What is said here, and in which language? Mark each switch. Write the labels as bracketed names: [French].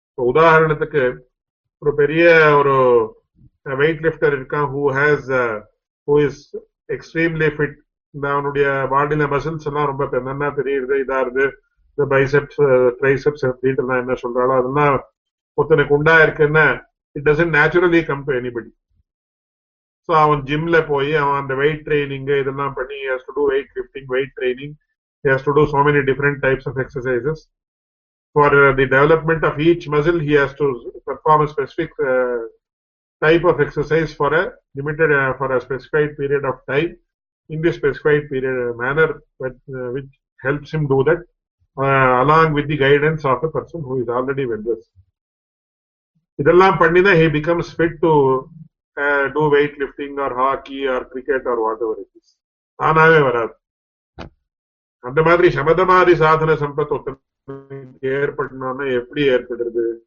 [Tamil] உதாரணத்துக்கு ஒரு பெரிய ஒரு வெயிட் லிப்டர் இருக்கான், [English] who has who is extremely fit, [Tamil] இந்த அவனுடைய பாடியில மசில்ஸ் எல்லாம் ரொம்ப பெண்ணா தெரியுது, இதா இருது, இந்த பைசெப்ஸ் ட்ரைசெப்ஸ் அப்படின்ட்டு என்ன சொல்றாளோ அதெல்லாம் ஒருத்தனுக்கு உண்டா இருக்குன்னு [English] it doesn't naturally come to anybody. [Tamil] So avan gym la poi avan the weight training idella panni [English] has to do weight lifting, weight training, he has to do so many different types of exercises for the development of each muscle, he has to perform a specific type of exercise for a limited for a specified period of time in this specified period manner which helps him do that along with the guidance of a person who is already well-versed. [Tamil] இதெல்லாம் பண்ணிதான் [English] He becomes fit to do weight lifting or hockey or cricket or whatever it is. [Tamil] தானாவே வராது. அந்த மாதிரி சமதமாதி சாதன சம்பத் ஏற்படணும்னா எப்படி ஏற்படுறது?